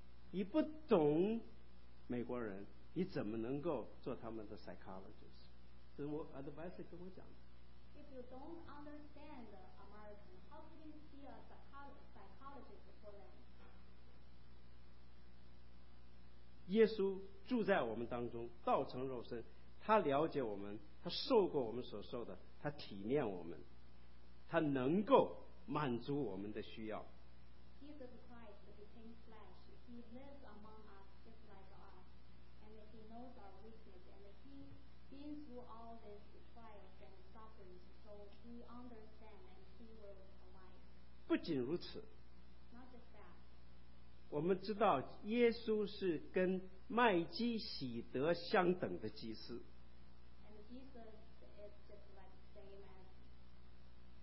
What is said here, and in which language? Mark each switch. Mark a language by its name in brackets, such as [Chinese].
[Chinese] 你不懂美国人，你怎么能够做他们的 psychologist？这是我 advisor 跟我讲的。 [English] If you don't understand American, how can you be a psychologist for them? [Chinese] 耶稣住在我们当中，道成肉身，他了解我们，他受过我们所受的，他体谅我们，他能够满足我们的需要。 [English] Jesus Christ became flesh. He lives among us just like us. And he knows our weakness. And he been through all these trials and sufferings. So he understands and he will provide. [Chinese] 不仅如此， [English] Not just that. [Chinese] 我们知道耶稣是跟麦基洗德相等的祭司。 [English] And Jesus is just like the same as